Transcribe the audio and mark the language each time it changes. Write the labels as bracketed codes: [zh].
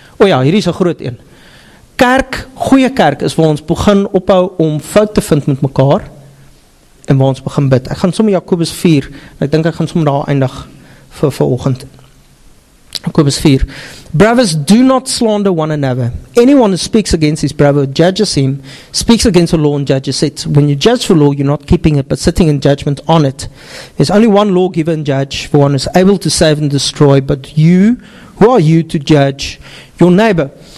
[af] O ja, hierdie is een groot een. Kerk, goeie kerk is waar ons begin ophou om fout te vind met mekaar, en waar ons begin bid. Ek gaan som Jakobus 4, en ek dink ek gaan som daar eindig vir vanoggend. [en] Jakobus 4. Brothers, do not slander one another. Anyone who speaks against his brother judges him, speaks against the law and judges it. When you judge the law, you're not keeping it, but sitting in judgment on it. There's only one lawgiver and judge, for one is able to save and destroy, but you, who are you to judge your neighbor?